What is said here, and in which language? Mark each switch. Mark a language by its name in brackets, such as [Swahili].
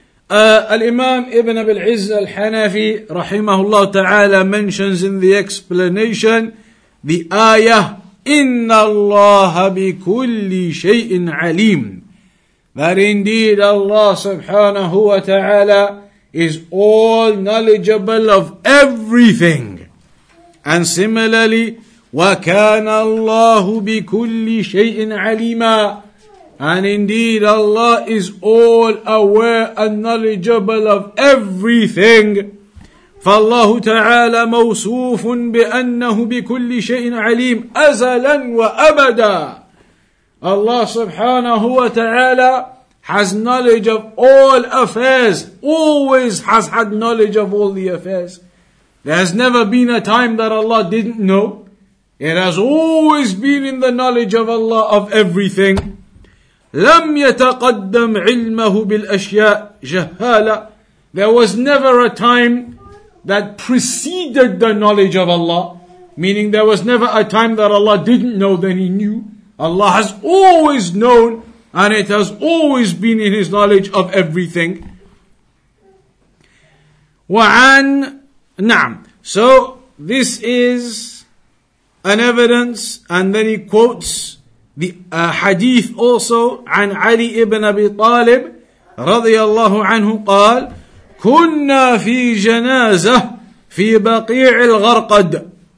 [English] Al-Imam Ibn Abil Izz al-Hanafi rahimahullah ta'ala mentions in the explanation the ayah [Arabic] Inna Allah bi kulli shay'in alim, [English] that indeed Allah subhanahu wa ta'ala is all knowledgeable of everything. And similarly, [Arabic] wa kana Allah bi kulli shay'in alima, [English] and indeed Allah is all aware and knowledgeable of everything. [Arabic] فالله تعالى موصوف بأنه بكل شيء عليم أزلا وأبدا. [English] Allah subhanahu wa ta'ala has knowledge of all affairs, always has had knowledge of all the affairs. There has never been a time that Allah didn't know. It has always been in the knowledge of Allah of everything. [Arabic] لم يتقدم علمه بالأشياء جهالا. [English] There was never a time that preceded the knowledge of Allah. Meaning there was never a time that Allah didn't know, then he knew. Allah has always known, and it has always been in his knowledge of everything. [Arabic] وعن نعم. [English] So this is an evidence, and then he quotes the hadith also. [Arabic] عن علي ابن أبي طالب رضي الله عنه قال كنا في جنازة في بقيع الغرقد.